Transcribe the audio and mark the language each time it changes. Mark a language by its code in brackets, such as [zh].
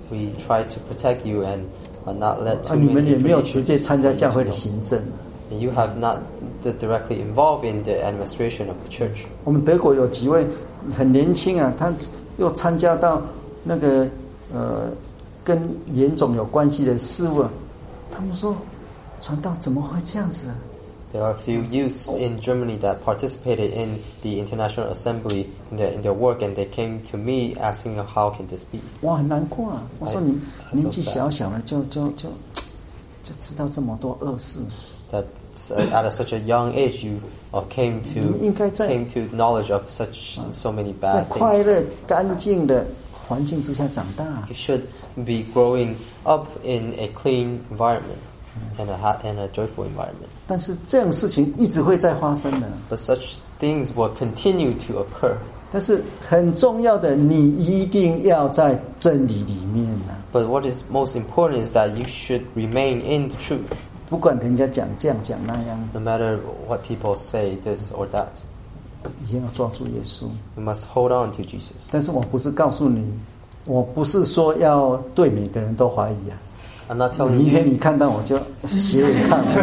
[en] We try to protect you and not let too many information. And you have not directly involved in the administration of the church. We have some very young people. [zh] 又参加到那个跟联总有关系的事务，他们说传道怎么会这样子啊？ [en] There are a few youths in Germany that participated in the International Assembly in their work, and they came to me asking, how can this be? [zh] 哇, 难过啊, 我说你年纪小小的就知道这么多恶事。 [en] That's, at a such a young age, you came to, knowledge of such so many bad things. [zh] 在快乐, 干净的环境之下长大, [en] you should be growing up in a clean environment and a joyful environment. [zh] 但是这种事情一直会再发生的。 [en] But such things will continue to occur. [zh] 但是很重要的, 你一定要在真理里面啊。 [en] But what is most important is that you should remain in the truth. [zh] 不管人家讲这样讲那样, [en] no matter what people say, this or that. [zh] 一定要抓住耶稣。 [en] You must hold on to Jesus. [zh] 但是我不是告诉你, 我不是说要对每个人都怀疑啊。 [en] I'm not telling you. [zh] 明天你看到我就斜眼看了。